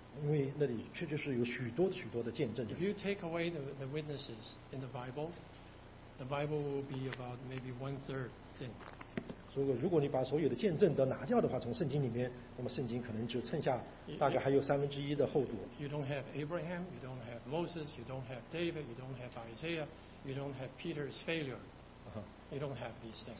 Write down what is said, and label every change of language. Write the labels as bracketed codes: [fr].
[zh] 因为那里确实是有许多许多的见证的。 [en] If you take away the witnesses in the Bible will be about maybe one third thin. [zh] 如果你把所有的见证都拿掉的话，从圣经里面，那么圣经可能只剩下大概还有三分之一的厚度。 [en] You don't have Abraham, you don't have Moses, you don't have David, you don't have Isaiah, you don't have Peter's failure. You don't have these things.